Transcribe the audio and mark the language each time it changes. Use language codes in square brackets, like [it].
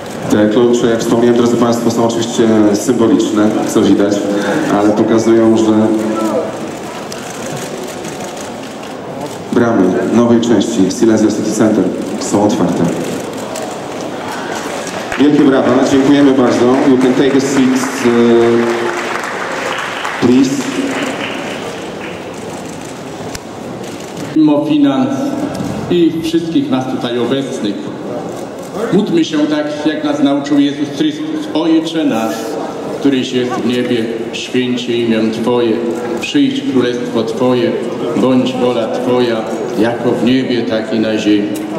[pl] Te klucze, jak wspomniałem, drodzy Państwo, są oczywiście symboliczne, co widać, ale pokazują, że bramy nowej części Silesia City Center są otwarte. Wielkie brawa, dziękujemy bardzo. [en] You can take a seat, please. [pl] Mimo finans i wszystkich nas tutaj obecnych, módlmy się tak, jak nas nauczył Jezus Chrystus. Ojcze nasz, któryś jest w niebie, święć imię Twoje, przyjdź królestwo Twoje, bądź wola Twoja, jako w niebie, tak i na ziemi.